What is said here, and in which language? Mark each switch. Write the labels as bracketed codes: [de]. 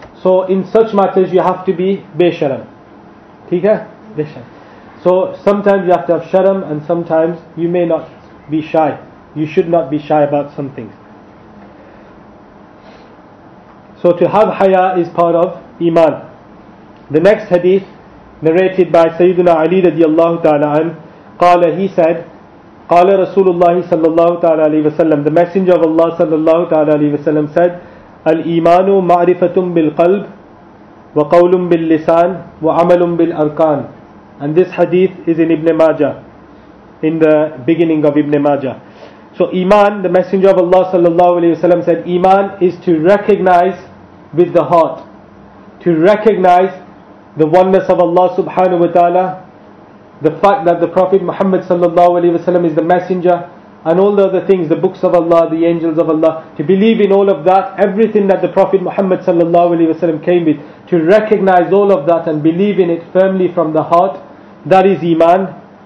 [en] So in such matters you have to be besharam. [hi] Theek hai? [en] Besharam. So sometimes you have to have sharam, and sometimes you may not be shy. You should not be shy about some things. So to have haya is part of iman. The next hadith narrated by Sayyiduna Ali radiallahu ta'ala an, qala, he said, [ar] قال رسول الله صلى الله تعالى عليه وسلم, [en] the Messenger of Allah [ar] صلى الله تعالى عليه وسلم [en] said, [ar] الإيمان معرفة بالقلب وقول باللسان وعمل بالأركان. [en] And this hadith is in Ibn Majah, in the beginning of Ibn Majah. So iman, the Messenger of Allah [ar] صلى الله عليه وسلم [en] said, iman is to recognize with the heart, to recognize the oneness of Allah subhanahu wa ta'ala, the fact that the Prophet Muhammad sallallahu alaihi wasallam is the messenger, and all the other things, the books of Allah, the angels of Allah, to believe in all of that, everything that the Prophet Muhammad sallallahu alaihi wasallam came with, to recognize all of that and believe in it firmly from the heart, that is iman.